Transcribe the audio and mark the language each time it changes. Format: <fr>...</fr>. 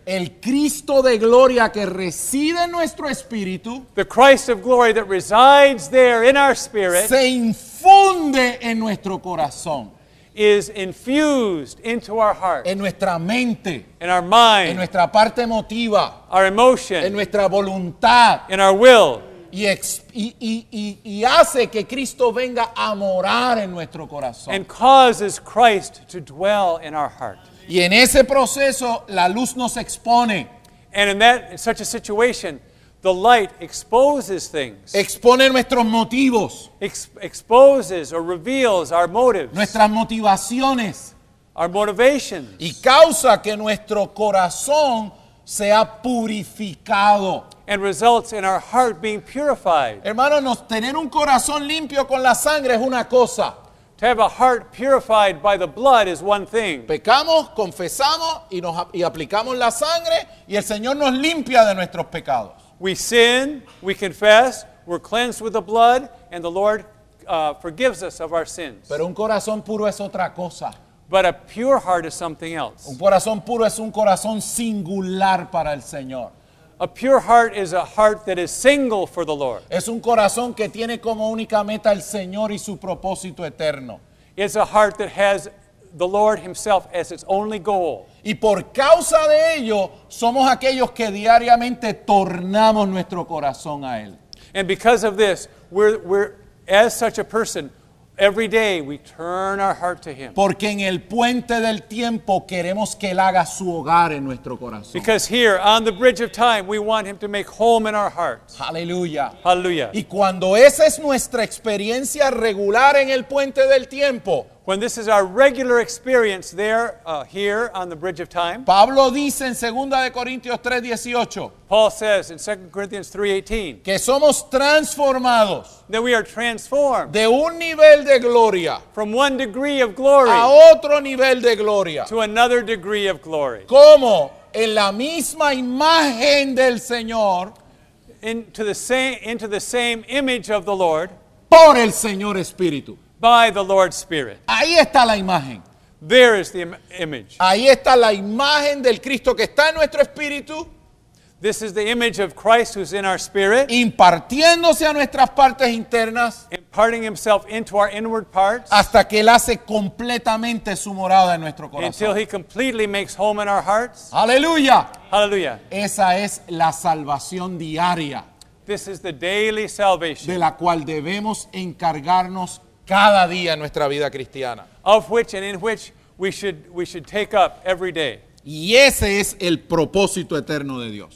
<es>El Cristo de gloria que reside en nuestro espíritu.</es> <en>The Christ of glory that resides there in our spirit.</en> <es>Se infunde en nuestro corazón.</es> <en>Is infused into our heart.</en> <es>En nuestra mente.</es> <en>In our mind.</en> <es>En nuestra parte emotiva.</es> <en>Our emotion.</en> <es>En nuestra voluntad.</es> <en>In our will.</en> <es>Y hace que Cristo venga a morar en nuestro corazón.</es> <en>And causes Christ to dwell in our heart.</en> <es>Y en ese proceso, la luz nos expone.</es> <en>And in such a situation, the light exposes things.</en> <es>Expone nuestros motivos.</es> <en>Exposes or reveals our motives.</en> <es>Nuestras motivaciones.</es> <en>Our motivations.</en> <es>Y causa que nuestro corazón sea purificado.</es> <en>And results in our heart being purified.</en> <es>Hermano, tener un corazón limpio con la sangre es una cosa.</es> <en>To have a heart purified by the blood is one thing.</en> <es>Pecamos, confesamos y aplicamos la sangre y el Señor nos limpia de nuestros pecados.</es> <en>We sin, we confess, we're cleansed with the blood, and the Lord forgives us of our sins.</en> <es>Pero un corazón puro es otra cosa.</es> <en>But a pure heart is something else.</en> <es>Un corazón puro es un corazón singular para el Señor.</es> <en>A pure heart is a heart that is single for the Lord.</en> <es>Es un corazón que tiene como única meta el Señor y su propósito eterno.</es> <en>It's a heart that has the Lord himself as its only goal.</en> <es>Y por causa de ello, somos aquellos que diariamente tornamos nuestro corazón a él.</es> <en>And because of this, we're as such a person, every day we turn our heart to him.</en> <es>Porque en el puente del tiempo queremos que él haga su hogar en nuestro corazón.</es> <en>Because here on the bridge of time we want him to make home in our hearts.</en> <es>Hallelujah.</es> <en>Hallelujah.</en> <es>Y cuando esa es nuestra experiencia regular en el puente del tiempo,</es> <en>when this is our regular experience there here on the bridge of time,</en> <es>Pablo dice en 2 Corintios 3:18,</es> <en>Paul says in 2 Corinthians 3:18,</en> <es>que somos transformados,</es> <en>that we are transformed,</en> <es>de un nivel de gloria,</es> <en>from one degree of glory,</en> <es>a otro nivel de gloria,</es> <en>to another degree of glory.</en> <es>Como en la misma imagen del Señor,</es> <en>into the same image of the Lord,</en> <es>por el Señor Espíritu.</es> <en>By the Lord's Spirit.</en> <es>Ahí está la imagen.</es> <en>There is the image.</en> <es>Ahí está la imagen del Cristo que está en nuestro espíritu.</es> <en>This is the image of Christ who's in our spirit.</en> <es>Impartiéndose a nuestras partes internas.</es> <en>Imparting himself into our inward parts.</en> <es>Hasta que él hace completamente su morada en nuestro corazón.</es> <en>Until he completely makes home in our hearts.</en> <es>Aleluya.</es> <en>Aleluya.</en> <es>Esa es la salvación diaria.</es> <en>This is the daily salvation.</en> <es>De la cual debemos encargarnos cada día en nuestra vida cristiana.</es> <en>Of which and in which we should take up every day.</en> <es>Y ese es el propósito eterno de Dios.</es>